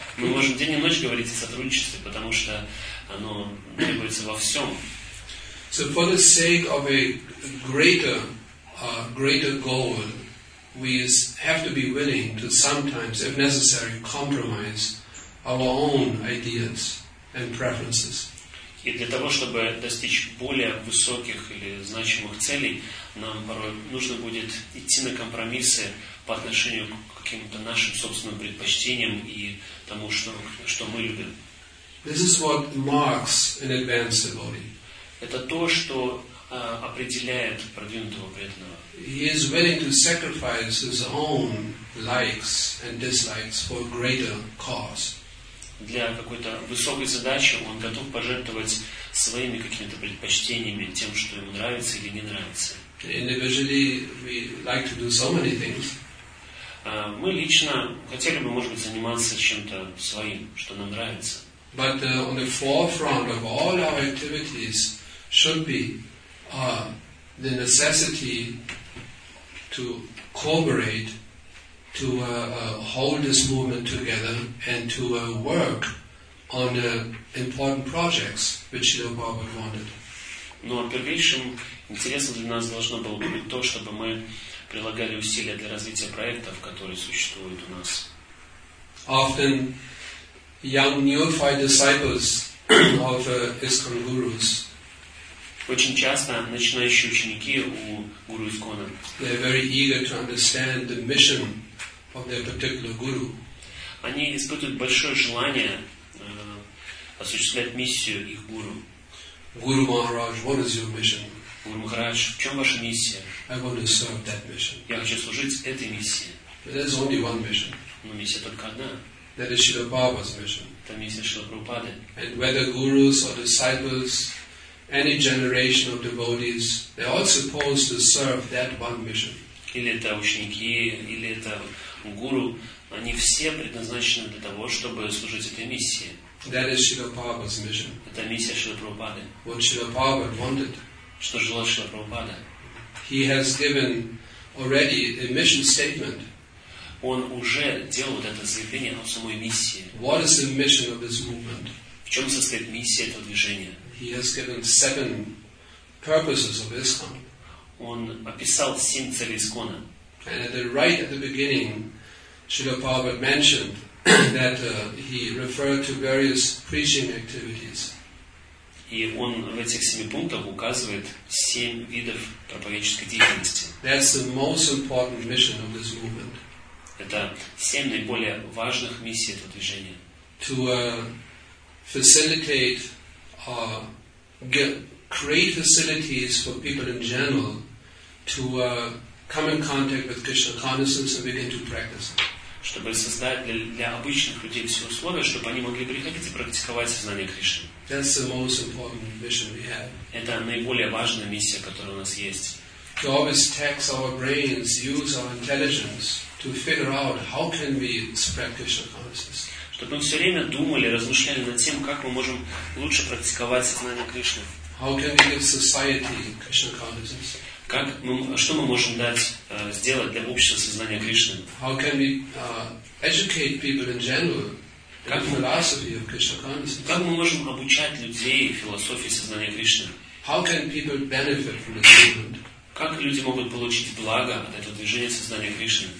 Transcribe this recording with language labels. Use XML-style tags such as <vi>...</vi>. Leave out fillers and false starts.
<ru>Мы можем день и ночь говорить о сотрудничестве, потому что оно требуется во всем.</ru> <en>So for the sake of a greater goal, we have to be willing to sometimes, if necessary, compromise our own ideas and preferences.</en> <ru>И для того, чтобы достичь более высоких или значимых целей, нам порой нужно будет идти на компромиссы по отношению к каким-то нашим собственным предпочтениям и тому, что мы любим.</ru> <en>This is what marks an advanced devotee.</en> <ru>Это то, что определяет продвинутого преданного.</ru> <en>He is willing to sacrifice his own likes and dislikes for a greater cause.</en> <ru>Для какой-то высокой задачи он готов пожертвовать своими какими-то предпочтениями, тем, что ему нравится или не нравится.</ru> <en>Individually, we like to do so many things.</en> <ru>Мы лично хотели бы, может быть, заниматься чем-то своим, что нам нравится.</ru> <en>But on the forefront of all our activities should be the necessity to cooperate, to hold this movement together, and to work on the important projects which Srila Prabhupada wanted.</en> <ru>Но первейшим интересом для нас должно было быть то, чтобы мы прилагали усилия для развития проектов, которые существуют у нас.</ru> <en>Often young neophyte disciples of ISKCON gurus.</en> <ru>Очень часто начинающие ученики у гуру ИСКОНа.</ru> <en>They are very eager to understand the mission of their particular guru.</en> <ru>Они испытывают большое желание осуществлять миссию их гуру.</ru> <en>Guru Maharaj, what is your mission?</en> <ru>Guru Maharaj, в чем ваша миссия?</ru> <en>I want to serve that mission.</en> <ru>Я хочу служить этой миссии.</ru> <en>But there's only one mission.</en> <ru>Но миссия только одна.</ru> <en>That is Srila Prabhupada's mission.</en> <ru>Это миссия Шрила Прабхупады.</ru> <en>And whether gurus or disciples, any generation of devotees, they're all supposed to serve that one mission.</en> <ru>Или это ученики, или это гуру, они все предназначены для того, чтобы служить этой миссии.</ru> <en>That is Srila Prabhupada's mission.</en> <ru>Это миссия Шрила Прабхупады.</ru> <en>What Srila Prabhupada wanted.</en> <ru>Что желал Шрила Прабхупада.</ru> <en>He has given already a mission statement.</en> <ru>Он уже делал вот это заявление о самой миссии.</ru> <en>What is the mission of this movement?</en> <ru>В чем состоит миссия этого движения?</ru> <en>He has given seven purposes of ISKCON.</en> <ru>Он описал семь целей ИСКОНа.</ru> <en>And at the right at the beginning, Srila Prabhupada mentioned that he referred to various preaching activities.</en> <ru>И он в этих семи пунктах указывает семь видов проповеднической деятельности.</ru> <en>That's the most important mission of this movement.</en> <ru>Это семь наиболее важных миссий этого движения.</ru> <en>To facilitate, create facilities for people in general to come in contact with Krishna consciousness and begin to practice.</en> <ru>Чтобы создать для обычных людей все условия, чтобы они могли приходить и практиковать сознание Кришны.</ru> <en>That's the most important mission we have.</en> <ru>Это наиболее важная миссия, которая у нас есть.</ru> <en>To always tax our brains, use our intelligence to figure out how can we spread Krishna consciousness.</en> <ru>Чтобы мы все время думали, размышляли над тем, как мы можем лучше практиковать сознание Кришны.</ru> <en>How can we give society Krishna consciousness?</en> <ru>Как мы, что мы можем дать, сделать для общества сознания Кришны?</ru> <en>How can we educate people in general the philosophy of Krishna consciousness?</en> <ru>Как мы можем обучать людей философии сознания Кришны?</ru> <en>How can people benefit from the movement?</en> <ru>Как люди могут получить благо от этого движения сознания Кришны?</ru>